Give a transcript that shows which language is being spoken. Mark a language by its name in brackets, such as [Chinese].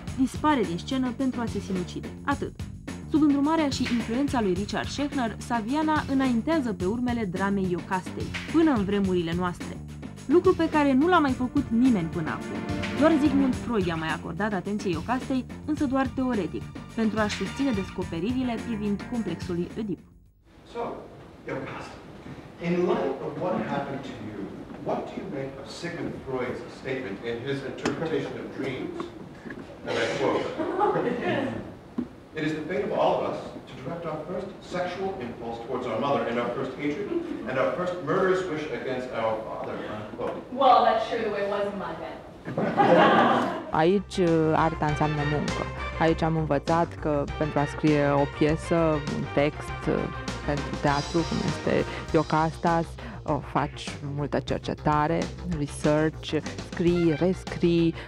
[Romanian] Dispare din scenă pentru a se sinucide. Atât. Sub îndrumarea și influența lui Richard Schechner, Saviana înaintează pe urmele dramei Iocastei, până în vremurile noastre. Lucru pe care nu l-a mai făcut nimeni până acum. Doar Sigmund Freud i-a mai acordat atenție Iocastei, însă doar teoretic, pentru a-și susține descoperirile privind complexul lui Oedip. [English] So, Iocasta, in light of what happened to you, what do you make of Sigmund Freud's statement in his interpretation of dreams? And I quote, "It is the fate of all of us to direct our first sexual impulse towards our mother and our first hatred and our first murderous wish against our father," unquote. Well, that's true, the way it was in my head. [Romanian] Aici arta înseamnă muncă. Aici am învățat că pentru a scrie o piesă, un text pentru teatru, cum este Iocasta, o faci multă cercetare, research, scrii, rescrii.